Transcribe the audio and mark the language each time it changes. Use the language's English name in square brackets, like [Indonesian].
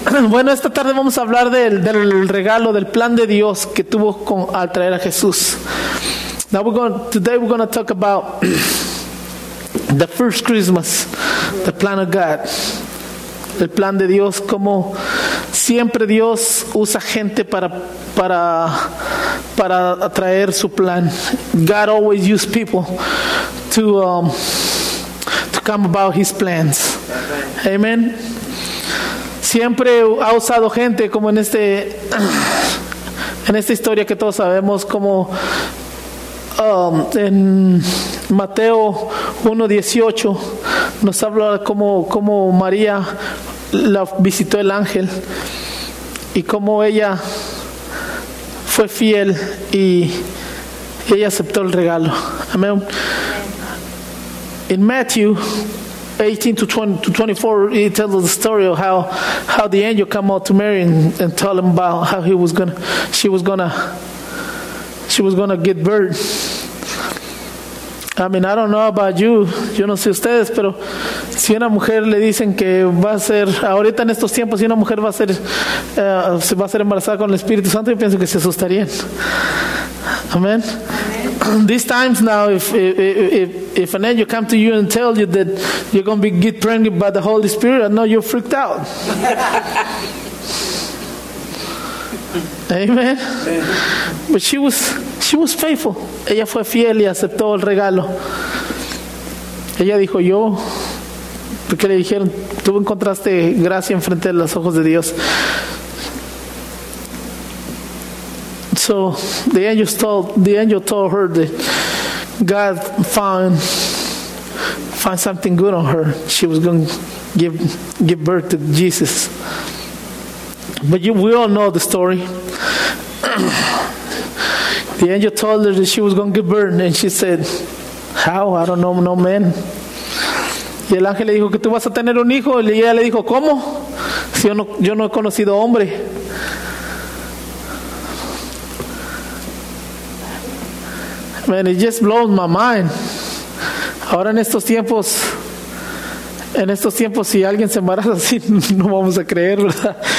[Spanish] Bueno, esta tarde vamos a hablar del regalo, del plan de Dios que tuvo al traer a Jesús. [English] Today we're going to talk about the first Christmas, the plan of God. [Spanish] El plan de Dios, como siempre Dios usa gente para atraer su plan. [English] God always uses people to come about His plans. Amen. [Spanish] Siempre ha usado gente, como en esta historia que todos sabemos, como en Mateo 1:18 nos habla como María la visitó el ángel, y como ella fue fiel y ella aceptó el regalo. Amén. [English] In Matthew 18:20-24, he tells the story of how the angel came out to Mary and told him about how she was gonna get birth. I mean, I don't know about you. [Spanish] Yo no sé ustedes, pero si una mujer le dicen que va a ser, ahorita en estos tiempos, si una mujer va a ser, se va a ser embarazada con el Espíritu Santo, yo pienso que se asustarían. [English] Amen. These times now, if an angel come to you and tell you that you're going to get pregnant by the Holy Spirit, I know you're freaked out. Amen. But she was faithful. [Spanish] Ella fue fiel y aceptó el regalo. Ella dijo, yo Porque le dijeron, tú encontraste gracia enfrente de los ojos de Dios. [English] So the angel told her that God found something good on her. She was going to give birth to Jesus. But we all know the story. The angel told her that she was going to give birth, and she said, "How? I don't know, no man." [Spanish] Y el ángel le dijo que tú vas a tener un hijo, y ella le dijo, "¿Cómo? Si yo no he conocido hombre." [English] Man, it just blows my mind. [Spanish] Ahora en estos tiempos, si alguien se embaraza así, no vamos a creer, ¿verdad?